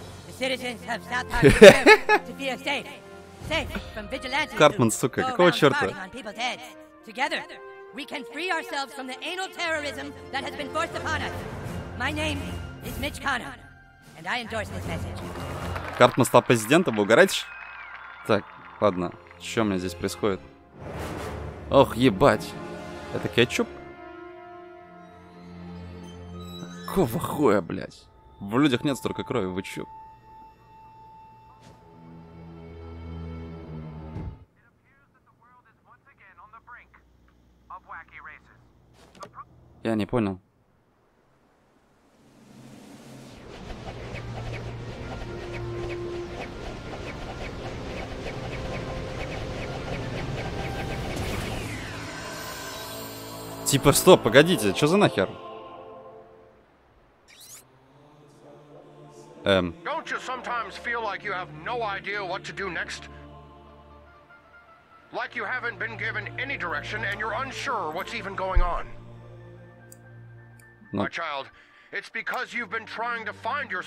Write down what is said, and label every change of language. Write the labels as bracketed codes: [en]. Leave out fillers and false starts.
[en] The citizens of South Park deserve to feel safe. Safe from vigilantes. [ru] Картман, сука, какого черта? [en] Together, we can free ourselves from the anal terrorism that has been forced upon us. My name is Mitch Connor, and I endorse this message. [ru] Картман стал президентом, вы угораете? Так, ладно, что у меня здесь происходит? Ох, ебать, это кетчуп? Какого хуя, блядь? В людях нет столько крови, вы чё? Я не понял. Типа, стоп, погодите, что за нахер? [en] Don't you sometimes feel like you have no idea what to do next? Like you haven't been given any direction and you're unsure what's even going on. [ru] Но... [en] My child, it's because you've been trying to find yourself.